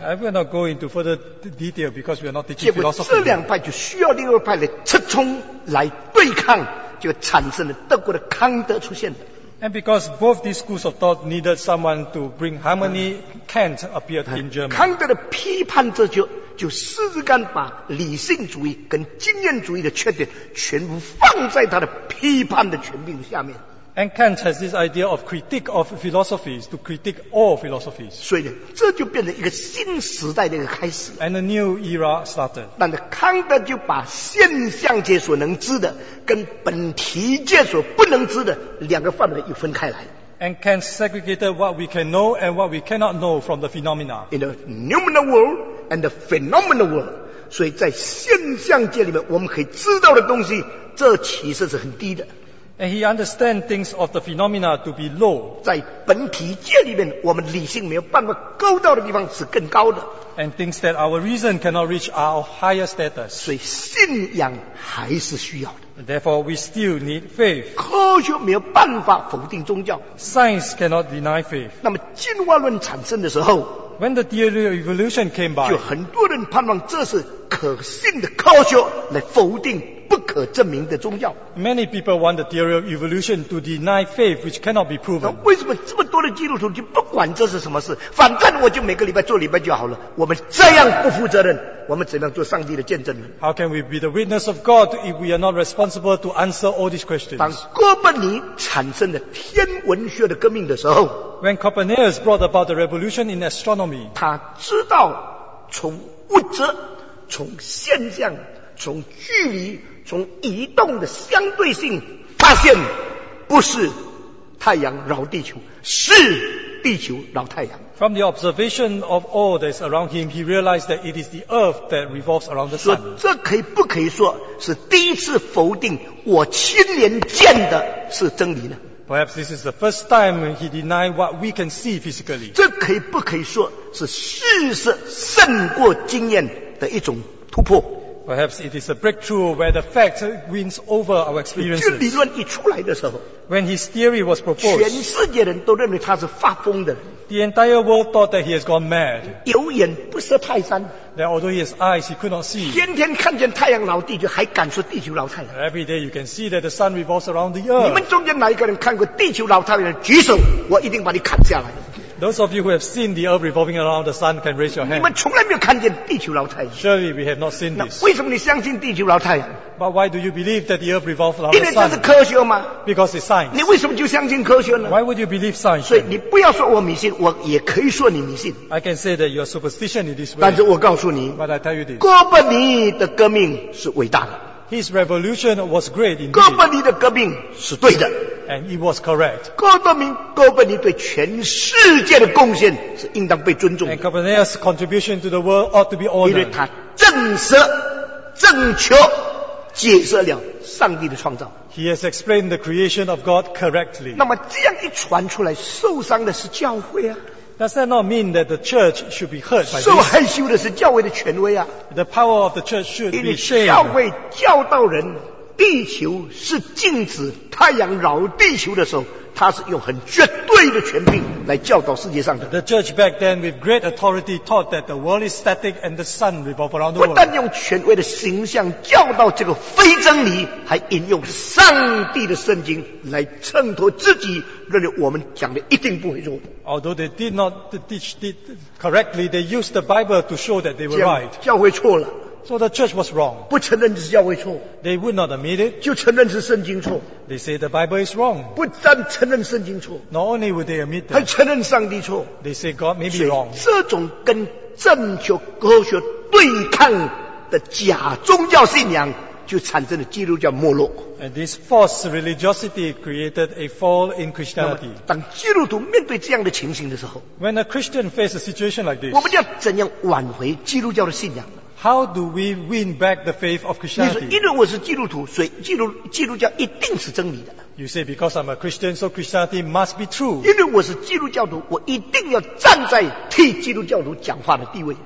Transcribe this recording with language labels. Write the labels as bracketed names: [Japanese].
[English] I will not go into further detail because we are not teaching philosophy. [Chinese] 结果这两派就需要另外一派来折冲来对抗，就产生了德国的康德出现的。 [English] And because both these schools of thought needed someone to bring harmony, Kant appeared in Germany. [Chinese] 康德的批判哲学就试试看把理性主义跟经验主义的缺点全部放在他的批判的权柄下面。 [English] And Kant has this idea of critique of philosophies to critique all philosophies. [Chinese] 所以这就变成一个新时代的一个开始。 [English] And a new era started. [Chinese] 但是康德就把现象界所能知的跟本体界所不能知的两个范围又分开来。 [English] And Kant segregated what we can know and what we cannot know from the phenomena. In the noumenal world and the phenomenal world. [Chinese] 所以在现象界里面我们可以知道的东西，这其实是很低的。 [English] And he understands things of the phenomena to be low. [Chinese] 在本体界里面，我们理性没有办法够到的地方是更高的。 [English] And things that our reason cannot reach are of higher status. [Chinese] 所以信仰还是需要的。 [English] Therefore, we still need faith. [Chinese] 科学没有办法否定宗教。 [English] Science cannot deny faith. [Chinese] 那么进化论产生的时候 [English] ，When the theory of evolution came by, [Chinese] 就很多人盼望这是可信的科学来否定。不可证明的宗教。 [English] Many people want the theory of evolution to deny faith, which cannot be proven. [Chinese] 那为什么这么多的基督徒就不管这是什么事？反正我就每个礼拜做礼拜就好了。我们这样不负责任，我们怎样做上帝的见证呢 [English] ？How can we be the witness of God if we are not responsible to answer all these questions? [Chinese] 当哥本尼产生了天文学的革命的时候 [English] ，When Copernicus brought about the revolution in astronomy, [Chinese] 他知道从物质、从现象、从距离。从移动的相对性发现，不是太阳绕地球，是地球绕太阳。 [English] From the observation of all that is around him, he realized that it is the earth that revolves around the sun. [Chinese] 所以这可以不可以说是第一次否定我亲眼见的是真理呢？ [English] Perhaps this is the first time he denied what we can see physically. [Chinese] 这可以不可以说是事实胜过经验的一种突破？ [English] Perhaps it is a breakthrough where the fact wins over our experiences. [Chinese] 这理论一出来的时候， [English] when his theory was proposed, [Chinese] 全世界人都认为他是发疯的。 [English] The entire world thought that he has gone mad. [Chinese] 有眼不识泰山。 [English] That although he has eyes, he could not see. [Chinese] 天天看见太阳绕地球，还敢说地球绕太阳？ [English] Every day you can see that the sun revolves around the earth. [Chinese] 你们中间哪一个人看过地球绕太阳？举手，我一定把你砍下来。 [English] Those of you who have seen the earth revolving around the sun can raise your hand. [Chinese] 你们从来没有看见地球绕太阳。 [English] Surely we have not seen this. [Chinese] 那为什么你相信地球绕太阳？ [English] But why do you believe that the earth revolves around the sun? [Chinese] 因为这是科学吗？ [English] Because it's science. [Chinese] 你为什么就相信科学呢？ [English] Why would you believe science? [Chinese] 所以你不要说我迷信，我也可以说你迷信。 [English] I can say that you are superstition in this way. [Chinese] 但是我告诉你， [English] But I tell you this. [Chinese] 哥本尼的革命是伟大的。 [English] His revolution was great indeed. [Chinese] 哥本尼的革命是对的。 [English] And it was correct. [Chinese] 哥本尼对全世界的贡献是应当被尊重的。 [English] And Copernicus's contribution to the world ought to be honored. [Chinese] 因为他证实、正确解释了上帝的创造。 [English] He has explained the creation of God correctly. [Chinese] 那么这样一传出来，受伤的是教会啊。 [English] Does that not mean that the church should be hurt by this? [Chinese] 受害羞的是教会的权威啊。 [English] The power of the church should be shamed. [Chinese] 教会教导人。地球是静止，太阳绕地球的时候，它是用很绝对的权柄来教导世界上的。 [English] The church back then, with great authority, taught that the world is static and the sun revolves around the world. [Chinese] 不但用权威的形象教导这个非真理，还引用上帝的圣经来衬托自己，认为我们讲的一定不会错。 [English] Although they did not teach it correctly, they used the Bible to show that they were right. [Chinese] 教会错了。 [English] So the church was wrong. [Chinese] 不承认是教会错。 [English] They would not admit it. [Chinese] 就承认是圣经错。 [English] They say the Bible is wrong. [Chinese] 不但承认圣经错。 [English] Not only would they admit that. [Chinese] 还承认上帝错。 [English] They say God may be wrong. [Chinese] 这种跟正确科学对抗的假宗教信仰，就产生了基督教没落。 [English] And this false religiosity created a fall in Christianity. [Chinese] 当基督徒面对这样的情形的时候， [English] When a Christian faces a situation like this, [Chinese] 我们要怎样挽回基督教的信仰？ [English] How do we win back the faith of Christianity? [Chinese] 你说因为我是基督徒，所以基督教一定是真理的。 [English] You say because I'm a Christian, so Christianity must be true. [Chinese] 因为我是基督教徒，我一定要站在替基督教徒讲话的地位。